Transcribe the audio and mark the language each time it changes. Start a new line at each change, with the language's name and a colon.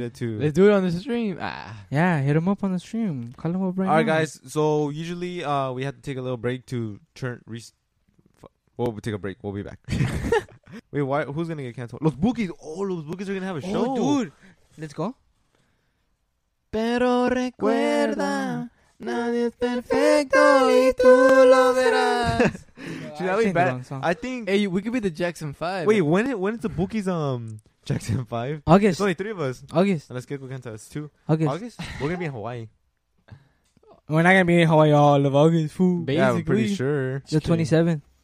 English: Let's do it on the stream. Ah. Yeah, hit him up on the stream. Call him up right now. All right, guys. So usually, we have to take a little break to turn. We'll take a break. We'll be back. Wait, who's going to get canceled? Los Bookies. Oh, Los Bookies are going to have a show. Oh, dude. Let's go.
Spanish: Pero recuerda, nadie es perfecto y tú lo verás.
English: Should that be bad? I think... Hey, we could be the Jackson 5. Wait, when is the Bookies Jackson 5? August. It's only three of us. August. Let's get canceled. It's two. August. We're going to be in Hawaii. We're not going to be in Hawaii all of August, fool. Basically. Yeah, I'm pretty sure. The 27th.